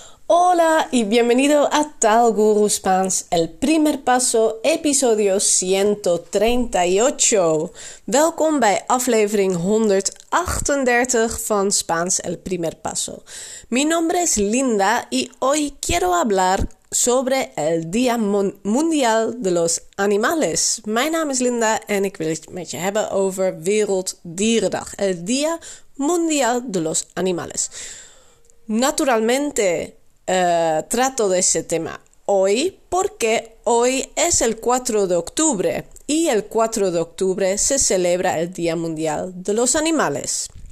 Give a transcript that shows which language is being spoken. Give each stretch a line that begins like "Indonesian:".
Spanish: Hola y bienvenido a Tal Guru Spans, el primer paso, episodio 138.
Dutch: Welkom bij aflevering 138 van Spans, el primer paso.
Spanish: Mi nombre es Linda y hoy quiero hablar sobre el Día Mundial de los Animales.
Dutch: Mijn naam is Linda en ik wil het met je hebben over Werelddierendag,
Spanish: el Día Mundial de los Animales. Naturalmente, trato de ese tema hoy porque hoy es el 4 de octubre y el 4 de octubre se celebra el Día Mundial de los Animales.